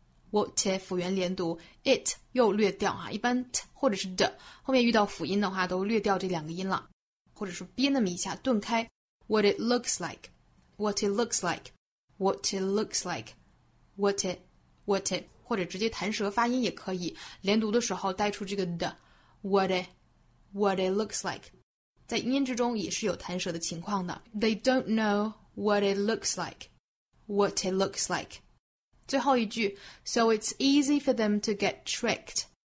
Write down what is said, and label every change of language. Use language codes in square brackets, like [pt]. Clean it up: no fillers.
[zh] what it 辅元连读 it 又略掉哈，一般 t 或者是 d 后面遇到辅音的话都略掉这两个音了，或者说憋那么一下顿开 [en] what it looks likeWhat it looks like, what it looks like, what it, what it, [zh] 或者直接弹舌发音也可以，连读的时候带出这个的 [en] what it, what it looks like, [zh] 在英音之中也是有弹舌的情况的。 [en] They don't know what it looks like, what it looks like. [zh] 最后一句 [en] so it's easy for them to get tricked.